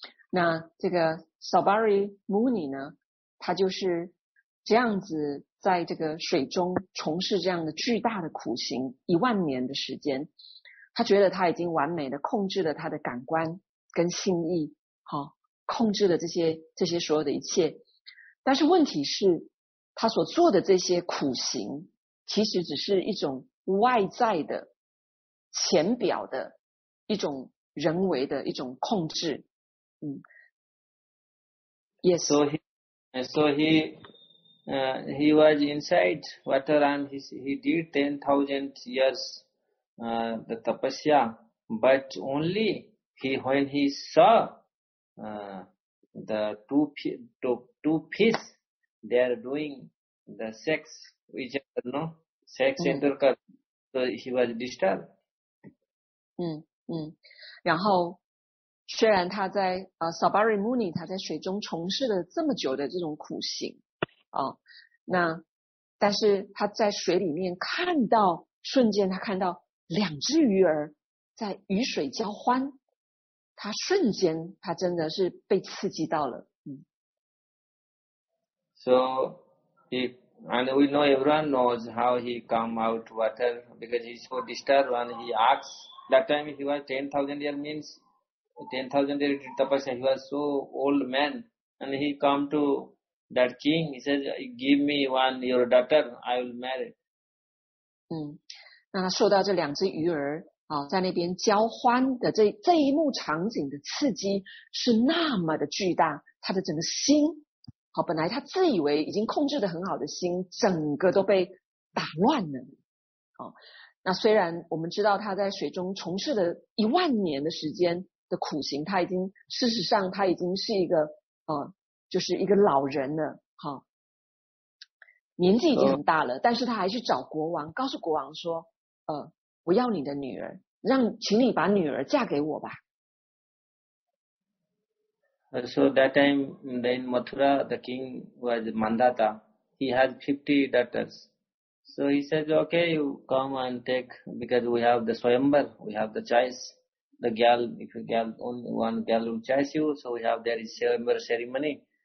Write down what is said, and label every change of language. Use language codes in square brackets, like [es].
[zh] 那这个 Saurimuni 呢，他就是这样子在这个水中从事这样的巨大的苦行一万年的时间，他觉得他已经完美的控制了他的感官跟心意，好，控制了这些所有的一切。但是问题是，他所做的这些苦行其实只是一种外在的浅表的一种人为的一种控制。 [en] Yes. So he was inside water and he did 10,000 years the tapasya, but only when he saw the two fish, they are doing the sex, which I don't know, sex intercourse. So he was disturbed. [zh] 然后虽然他在Sabari Muni 他在水中从事了这么久的这种苦行啊，那但是他在水里面看到瞬间，他看到两只鱼儿在鱼水交欢，他瞬间他真的是被刺激到了。 [en] So he and we know everyone knows how he come out water because he's so disturbed and he asks that time he was 10,000 year means 10,000 year tapasya he was so old man and he come to that king he says give me one your daughter I will marry. [zh] 那他受到这两只鱼儿啊，在那边交欢的这一幕场景的刺激是那么的巨大，他的整个心，好，本来他自以为已经控制得很好的心，整个都被打乱了。那虽然我们知道他在水中从事了一万年的时间的苦行，他已经事实上他已经是一个就是一个老人了，好，年纪已经很大了，但是他还去找国王，告诉国王说，我要你的女儿，请你把女儿嫁给我吧。 [en] So that time in Mathura, the king was Mandata. He had 50 daughters. So he says, okay, you come and take, because we have the swayambar, we have the choice. The girl, if you girl, only one girl will choose you, so we have there is swayambar ceremony.